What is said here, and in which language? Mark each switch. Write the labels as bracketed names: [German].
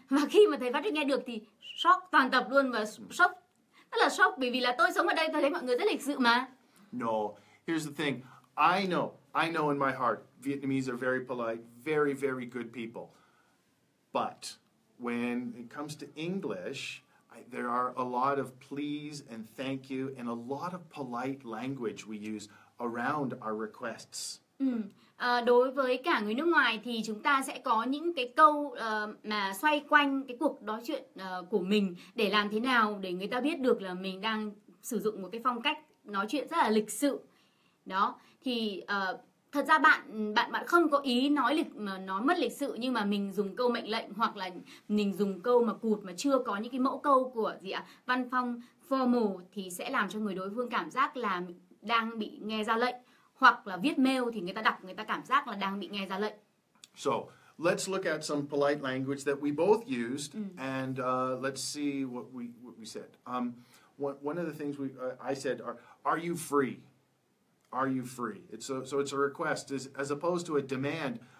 [Vietnamese] Và khi mà thầy Patrick nghe được thì shock toàn tập luôn và shock, rất là shock bởi vì là tôi sống ở đây, tôi thấy mọi người rất lịch sự mà. [English] No, here's the thing. I know in my heart, Vietnamese are very polite, very, very good people. But when it comes to English, there are a lot of please and thank you and a lot of polite language we use around our requests. [Vietnamese] Đối với cả người nước ngoài thì chúng ta sẽ có những cái câu mà xoay quanh cái cuộc nói chuyện của mình để làm thế nào để người ta biết được là mình đang sử dụng một cái phong cách nói chuyện rất là lịch sự. Đó, thì thật ra bạn không có ý nói mất lịch sự, nhưng mà mình dùng câu mệnh lệnh hoặc là mình dùng câu mà cụt mà chưa có những cái mẫu câu của gì ạ, văn phòng formal, thì sẽ làm cho người đối phương cảm giác là đang bị nghe ra lệnh hoặc là viết mail thì người ta đọc, người ta cảm giác là đang bị nghe ra lệnh. [English] So, let's look at some polite language that we both used and let's see what we said. One of the things I said are you free? Are you free? It's a request as opposed to a demand.